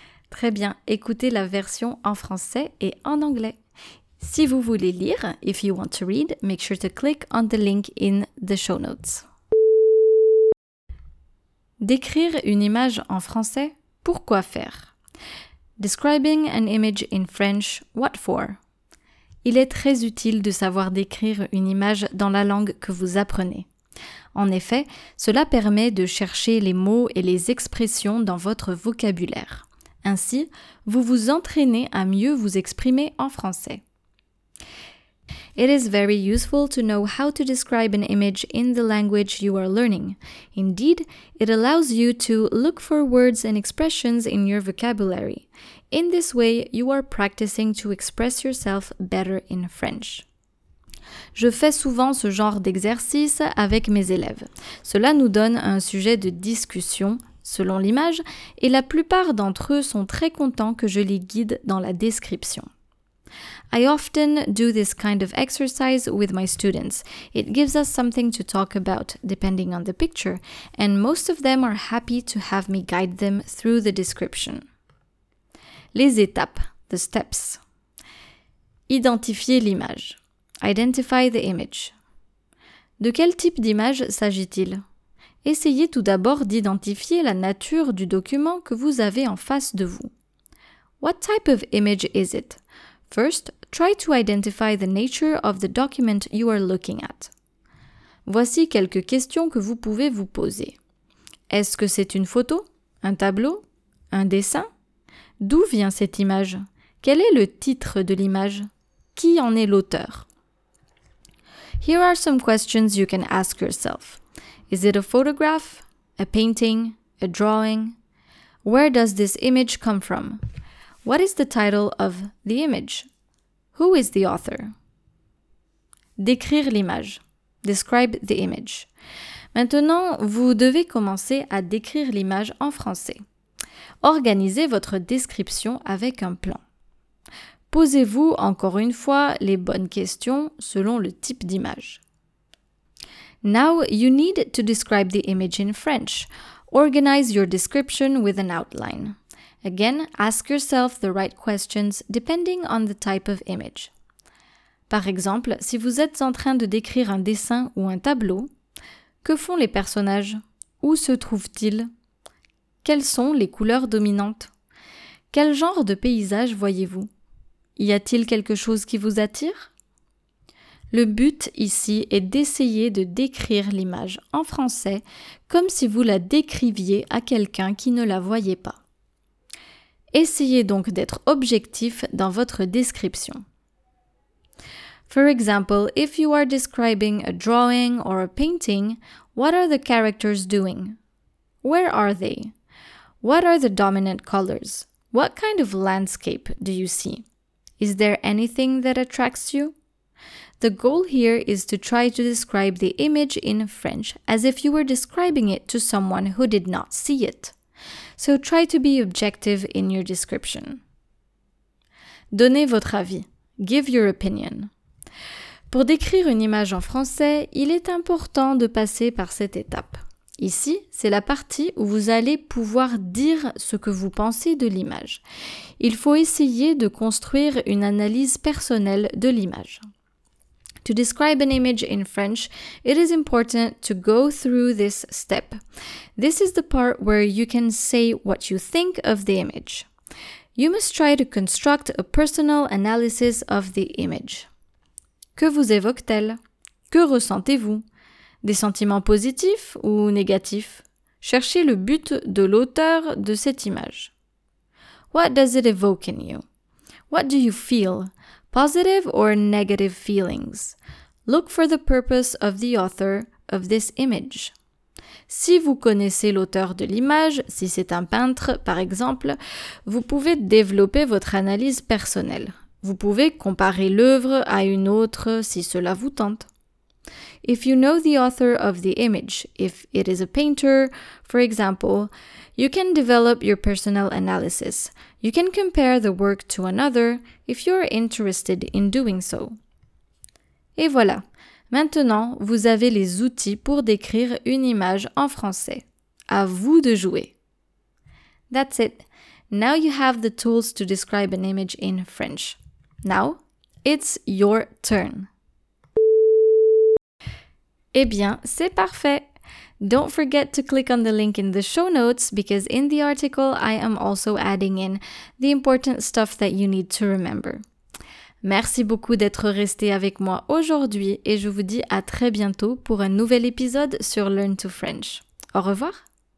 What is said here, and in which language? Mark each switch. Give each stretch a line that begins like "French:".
French: Très bien, écoutez la version en français et en anglais. Si vous voulez lire,
English: if you want to read, make sure to click on the link in the show notes.
French: Décrire une image en français, pourquoi faire?
English: Describing an image in French, what for?
French: Il est très utile de savoir décrire une image dans la langue que vous apprenez. En effet, cela permet de chercher les mots et les expressions dans votre vocabulaire. Ainsi, vous vous entraînez à mieux vous exprimer en français.
English: It is very useful to know how to describe an image in the language you are learning. Indeed, it allows you to look for words and expressions in your vocabulary. In this way, you are practicing to express yourself better in French.
French: Je fais souvent ce genre d'exercice avec mes élèves. Cela nous donne un sujet de discussion, selon l'image, et la plupart d'entre eux sont très contents que je les guide dans la description.
English: I often do this kind of exercise with my students. It gives us something to talk about, depending on the picture, and most of them are happy to have me guide them through the description.
French: Les étapes.
English: the steps.
French: Identifier l'image.
English: Identify the image.
French: De quel type d'image s'agit-il? Essayez tout d'abord d'identifier la nature du document que vous avez en face de vous.
English: What type of image is it? First, try to identify the nature of the document you are looking at.
French: Voici quelques questions que vous pouvez vous poser. Est-ce que c'est une photo? Un tableau? Un dessin? D'où vient cette image? Quel est le titre de l'image? Qui en est l'auteur?
English: Here are some questions you can ask yourself. Is it a photograph? A painting? A drawing? Where does this image come from? What is the title of the image? Who is the author?
French: Décrire l'image.
English: Describe the image.
French: Maintenant, vous devez commencer à décrire l'image en français. Organisez votre description avec un plan. Posez-vous encore une fois les bonnes questions selon le type d'image.
English: Now you need to describe the image in French. Organize your description with an outline. Again, ask yourself the right questions depending on the type of image.
French: Par exemple, si vous êtes en train de décrire un dessin ou un tableau, que font les personnages? Où se trouvent-ils? Quelles sont les couleurs dominantes? Quel genre de paysage voyez-vous? Y a-t-il quelque chose qui vous attire? Le but ici est d'essayer de décrire l'image en français comme si vous la décriviez à quelqu'un qui ne la voyait pas. Essayez donc d'être objectif dans votre description.
English: For example, if you are describing a drawing or a painting, what are the characters doing? Where are they? What are the dominant colors? What kind of landscape do you see? Is there anything that attracts you? The goal here is to try to describe the image in French as if you were describing it to someone who did not see it. So try to be objective in your description.
French: Donnez votre avis.
English: Give your opinion.
French: Pour décrire une image en français, il est important de passer par cette étape. Ici, c'est la partie où vous allez pouvoir dire ce que vous pensez de l'image. Il faut essayer de construire une analyse personnelle de l'image.
English: To describe an image in French, it is important to go through this step. This is the part where you can say what you think of the image. You must try to construct a personal analysis of the image.
French: Que vous évoque-t-elle? Que ressentez-vous? Des sentiments positifs ou négatifs? Cherchez le but de l'auteur de cette image.
English: What does it evoke in you? What do you feel? Positive or negative feelings? Look for the purpose of the author of this image.
French: Si vous connaissez l'auteur de l'image, si c'est un peintre par exemple, vous pouvez développer votre analyse personnelle. Vous pouvez comparer l'œuvre à une autre si cela vous tente.
English: If you know the author of the image, if it is a painter, for example, you can develop your personal analysis. You can compare the work to another if you are interested in doing so.
French: Et voilà, maintenant vous avez les outils pour décrire une image en français. À vous de jouer!
English: That's it. Now you have the tools to describe an image in French. Now, it's your turn.
French: Eh bien, c'est parfait!
English: Don't forget to click on the link in the show notes because in the article, I am also adding in the important stuff that you need to remember.
French: Merci beaucoup d'être resté avec moi aujourd'hui et je vous dis à très bientôt pour un nouvel épisode sur Learn to French. Au revoir!